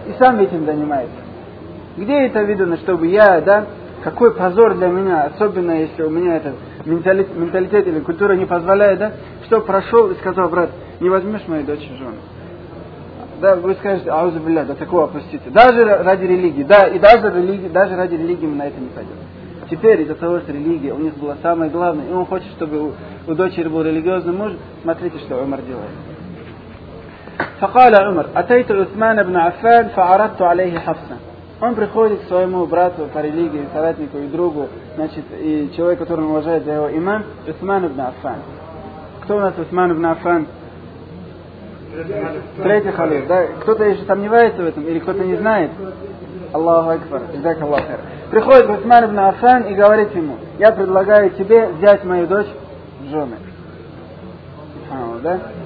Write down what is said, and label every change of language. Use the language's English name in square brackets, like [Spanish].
[Russian] И сам этим занимается. Где это видно, чтобы я, да, какой позор для меня, особенно если у меня этот менталитет или культура не позволяет, да, что прошел и сказал, брат, не возьмешь мою дочь в жену. Да, вы скажете, аузу билля, до такого опустите. Даже ради религии, да, и даже ради религии мы на это не пойдем. Теперь из-за того, что религия у них была самая главная, и он хочет, чтобы у дочери был религиозный муж, смотрите, что Умар делает. [Arabic] فقال عمر أتيت عثمان بن عفان فعرضت عليه حفصة. [Russian] Он приходит к своему брату по религии, соратнику и другу, значит, и человек, который уважает за его имам, Усман ибн Аффан. Кто у нас Усман ибн Аффан? Третий халиф, да? Кто-то еще сомневается в этом или кто-то не знает? Аллаху акбар, джазак Аллаху хайр. Приходит Усман ибн Аффан и говорит ему, я предлагаю тебе взять мою дочь в жены. Субханаллах, да?